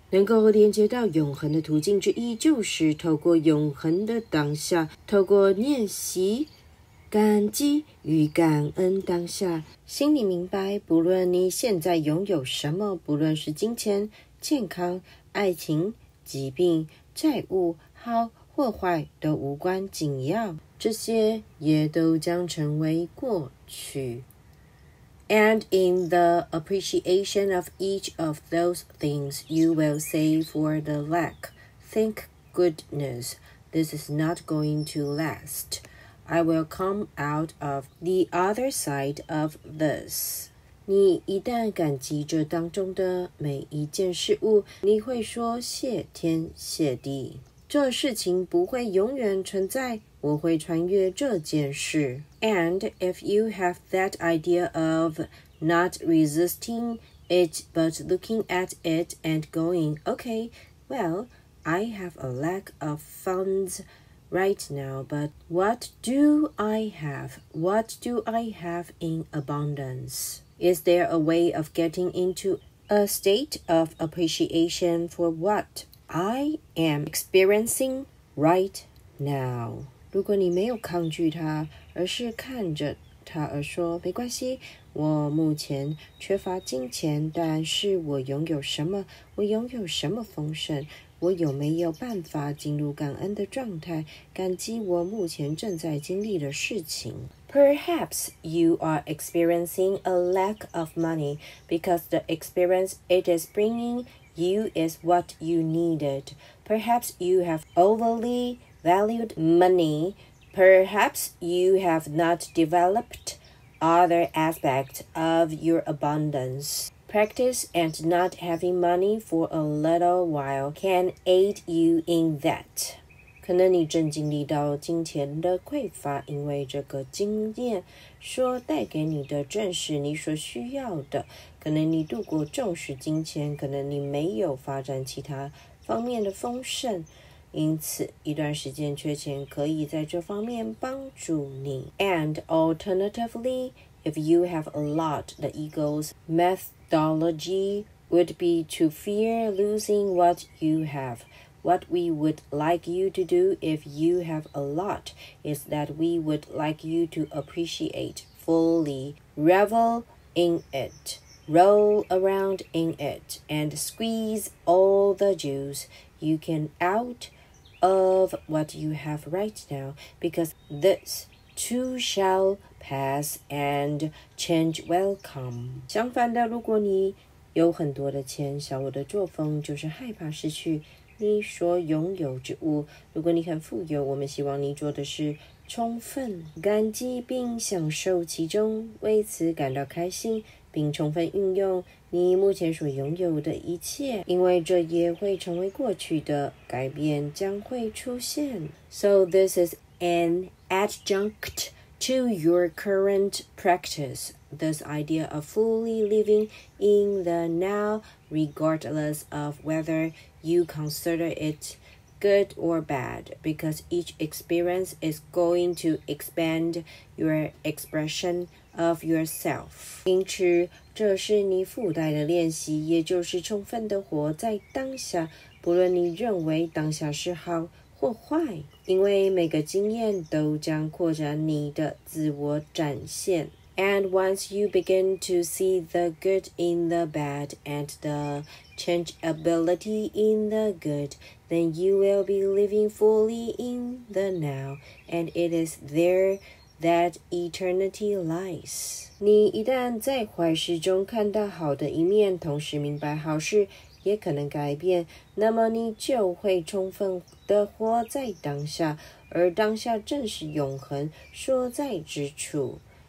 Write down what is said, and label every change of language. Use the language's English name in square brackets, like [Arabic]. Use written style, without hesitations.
[Chinese] 能够连接到永恒的途径之一就是透过永恒的当下，透过练习感激与感恩当下，心里明白，不论你现在拥有什么，不论是金钱、健康、爱情、疾病、债务，好或坏都无关紧要，这些也都将成为过去。 [English] And in the appreciation of each of those things, you will say for the lack, thank goodness, this is not going to last. I will come out of the other side of this. [Chinese] 你一旦感激这当中的每一件事物，你会说谢天谢地，这事情不会永远存在，我会穿越这件事。 [English] And if you have that idea of not resisting it but looking at it and going, okay, well, I have a lack of funds right now, but what do I have? What do I have in abundance? Is there a way of getting into a state of appreciation for what I am experiencing right now? [Chinese] 如果你没有抗拒它，而是看着它而说，没关系，我目前缺乏金钱，但是我拥有什么？我拥有什么丰盛？我有没有办法进入感恩的状态，感激我目前正在经历的事情？ [English] Perhaps you are experiencing a lack of money because the experience it is bringing you is what you needed. Perhaps you have overly valued money. Perhaps you have not developed other aspects of your abundance. Practice and not having money for a little while can aid you in that. [Chinese] 可能你正经历到金钱的匮乏，因为这个经验说带给你的正是你所需要的。可能你度过重视金钱，可能你没有发展其他方面的丰盛，因此一段时间缺钱可以在这方面帮助你。 [English] And alternatively, if you have a lot, the ego's methodology would be to fear losing what you have. What we would like you to do if you have a lot is that we would like you to appreciate fully, revel in it, roll around in it, and squeeze all the juice you can out of what you have right now, because this too shallpass and change will come. [Chinese] 相反的，如果你有很多的钱，小我的作风就是害怕失去你所拥有之物。如果你很富有，我们希望你做的是充分感激并享受其中，为此感到开心，并充分运用你目前所拥有的一切，因为这也会成为过去的，改变将会出现。 [English] So this is an adjunctTo your current practice, this idea of fully living in the now, regardless of whether you consider it good or bad, because each experience is going to expand your expression of yourself. [Chinese] 因此，这是你附带的练习，也就是充分地活在当下，不论你认为当下是好或坏。因为每个经验都将扩展你的自我展现。 [English] And once you begin to see the good in the bad and the changeability in the good, then you will be living fully in the now, and it is there that eternity lies. [Chinese] 你一旦在坏事中看到好的一面，同时明白好事也可能改变，那么你就会充分地活在当下，而当下正是永恒所在之处。